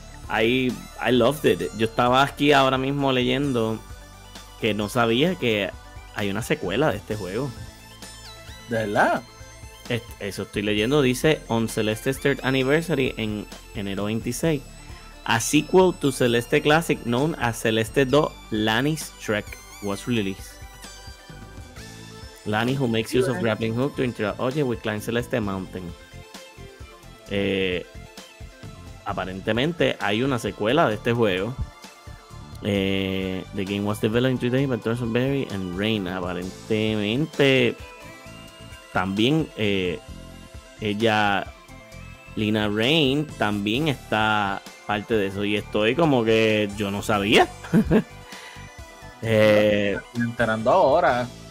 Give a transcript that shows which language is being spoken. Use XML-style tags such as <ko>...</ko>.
<en>I loved it.</en> <es>Yo estaba aquí ahora mismo leyendo que no sabía que hay una secuela de este juego. ¿De verdad? Eso estoy leyendo, dice On Celeste's Third Anniversary en enero 26.</es> <en>A sequel to Celeste Classic, known as Celeste 2, Lani's Trek, was released. Lani, who makes use of grappling hook to interact, oye, we climb Celeste Mountain.</en> <es>Aparentemente, hay una secuela de este juego.</es> <en>The game was developed in 2 days by Thorson Berry and Rain.</en> <es>Aparentemente, también ella, Lina Rain, también está parte de eso, y estoy como que yo no sabía. enterando ahora.</es>